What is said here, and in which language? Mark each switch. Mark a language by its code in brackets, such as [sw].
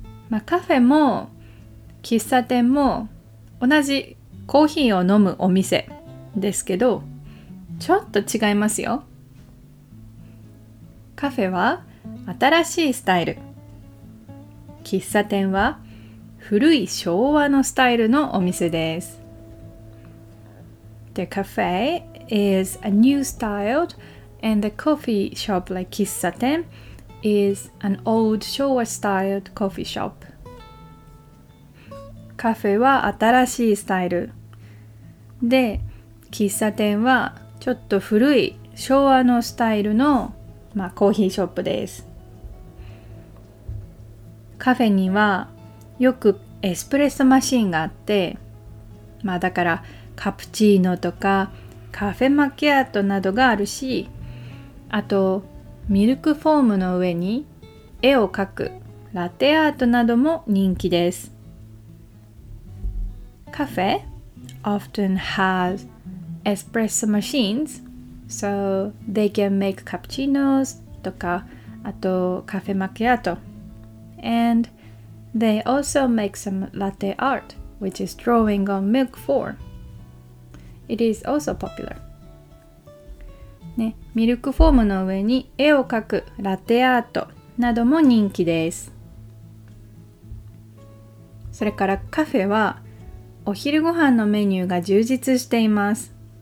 [ja] まあ、カフェも喫茶店も同じコーヒーを飲むお店ですけど、ちょっと違いますよ。カフェは新しいスタイル、喫茶店は古い昭和のスタイルのお店です。 [en] The cafe is a new style and the coffee shop like 喫茶店 is an old 昭和 styled coffee shop. [ja] カフェは新しいスタイルで、喫茶店はちょっと古い昭和のスタイルの、まあ、コーヒーショップです。カフェにはよくエスプレッソマシンがあって、まあだからカプチーノとかカフェマキアートなどがあるし、あとミルクフォームの上に絵を描くラテアートなども人気です。 [en] カフェ often has espresso machines, so they can make cappuccinos [ja] とかあとカフェマキアート。 [en] And they also make some latte art, which is drawing on milk form. It is also popular. [ja] ね、ミルクフォームの上に絵を描くラテアートなども人気です。それからカフェはお昼ご飯のメニューが充実しています。